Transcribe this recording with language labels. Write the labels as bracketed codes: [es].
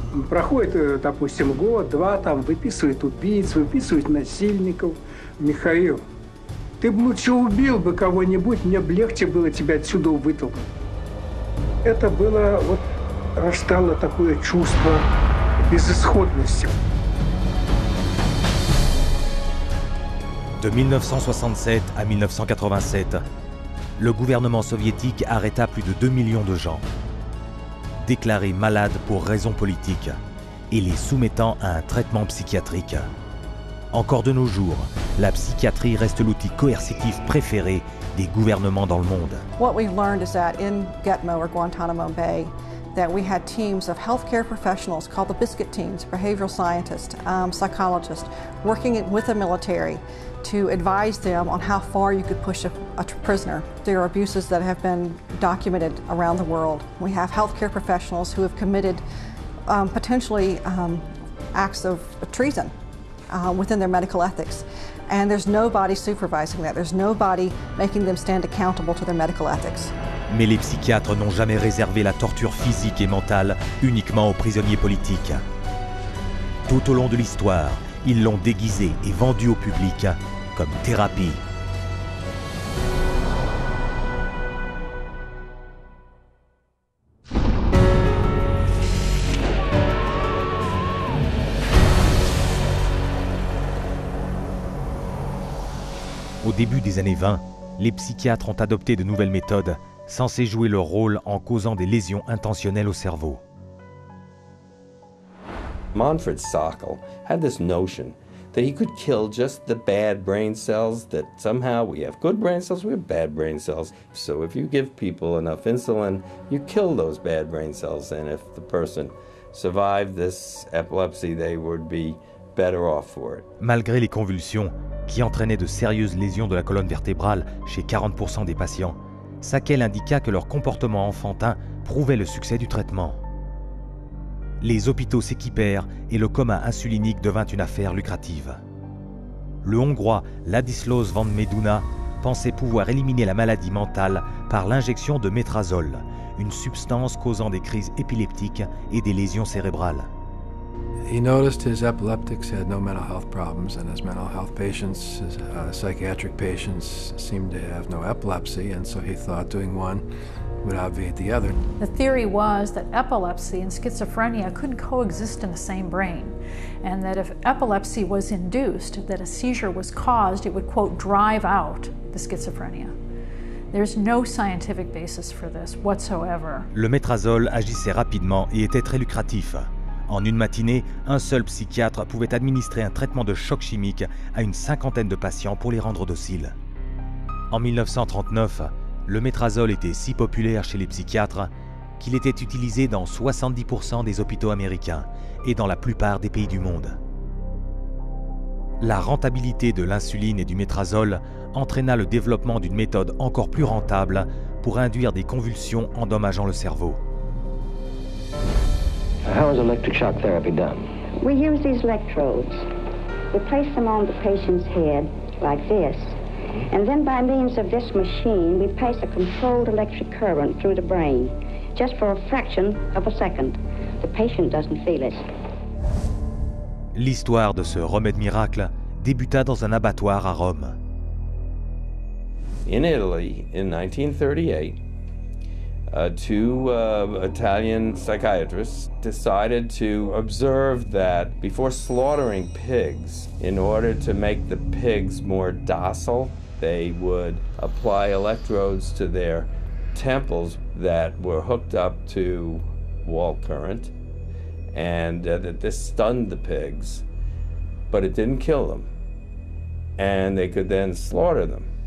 [ru] Проходит, допустим, год, два, там, выписывает убийц, выписывает насильников. Михаил, ты бы лучше убил бы кого-нибудь, мне бы легче было тебя отсюда вытолкнуть. Это было, вот, рождало такое чувство безысходности. [fr] De 1967 à 1987, le gouvernement soviétique arrêta plus de 2 millions de gens. Déclarés malades pour raisons politiques et les soumettant à un traitement psychiatrique. Encore de nos jours, la psychiatrie reste l'outil coercitif préféré des gouvernements dans le monde. [en] What we learned is that in Gitmo or Guantanamo Bay, that we had teams of healthcare professionals called the biscuit teams, behavioral scientists, psychologists, working with the military to advise them on how far you could push a prisoner. There are abuses that have been documented around the world. We have healthcare professionals who have committed potentially acts of treason within their medical ethics. And there's nobody supervising that. There's nobody making them stand accountable to their medical ethics. [fr] Mais les psychiatres n'ont jamais réservé la torture physique et mentale uniquement aux prisonniers politiques. Tout au long de l'histoire, ils l'ont déguisé et vendu au public comme thérapie. Au début des années 20, les psychiatres ont adopté de nouvelles méthodes censées jouer leur rôle en causant des lésions intentionnelles au cerveau. [en] Manfred Sokal had this notion that he could kill just the bad brain cells, that somehow we have good brain cells, we have bad brain cells. So if you give people enough insulin, you kill those bad brain cells, and if the person survived this epilepsy, they would be better off for it. [fr] Malgré les convulsions, qui entraînaient de sérieuses lésions de la colonne vertébrale chez 40% des patients, Sokal indiqua que leur comportement enfantin prouvait le succès du traitement. Les hôpitaux s'équipèrent et le coma insulinique devint une affaire lucrative. Le Hongrois Ladislaus van Meduna pensait pouvoir éliminer la maladie mentale par l'injection de métrazole, une substance causant des crises épileptiques et des lésions cérébrales. [en] He noticed his epileptics had no mental health problems, and his mental health patients, psychiatric patients, seemed to have no epilepsy, and so he thought doing one would obviate the other. The theory was that epilepsy and schizophrenia couldn't coexist in the same brain, and that if epilepsy was induced, that a seizure was caused, it would, quote, drive out the schizophrenia. There's no scientific basis for this whatsoever. [fr] Le métrazole agissait rapidement et était très lucratif. En une matinée, un seul psychiatre pouvait administrer un traitement de choc chimique à une cinquantaine de patients pour les rendre dociles. En 1939, le métrazole était si populaire chez les psychiatres qu'il était utilisé dans 70% des hôpitaux américains et dans la plupart des pays du monde. La rentabilité de l'insuline et du métrazole entraîna le développement d'une méthode encore plus rentable pour induire des convulsions endommageant le cerveau. [en] How is electric shock therapy done? We use these electrodes. We place them on the patient's head like this. And then by means of this machine, we pass a controlled electric current through the brain, just for a fraction of a second. The patient doesn't feel it. [fr] L'histoire de ce remède miracle débuta dans un abattoir à Rome. [en] In Italy, in 1938, two Italian psychiatrists decided to observe that before slaughtering pigs, in order to make the pigs more docile, they would apply electrodes to their temples that were hooked up to wall current, and that this stunned the pigs, but it didn't kill them, and they could then slaughter them.